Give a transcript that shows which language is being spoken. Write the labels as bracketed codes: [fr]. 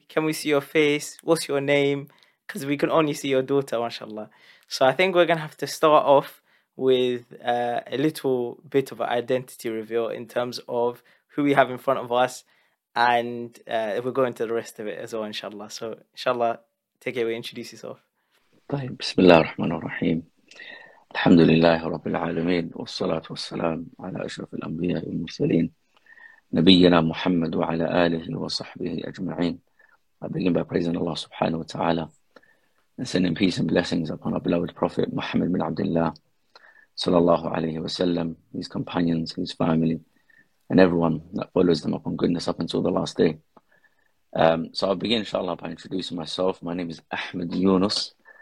[en] Can we see your face? What's your name? Because we can only see your daughter, mashallah. So I think we're gonna have to start off with a little bit of an identity reveal in terms of who we have in front of us. And if we're going to the rest of it as well, inshallah. So, inshallah, take it away, introduce yourself. [ar] طيب بسم الله الرحمن الرحيم الحمد لله رب العالمين والصلاة والسلام على أشرف الأنبياء والمرسلين نبينا محمد وعلى آله وصحبه أجمعين. [en] I begin by praising Allah subhanahu wa ta'ala and sending peace and blessings upon our beloved Prophet Muhammad bin Abdullah sallallahu alayhi wa sallam, his companions, his family, and everyone that follows them upon goodness up until the last day. So I'll begin, inshallah, by introducing myself. My name is Ahmed Yunus.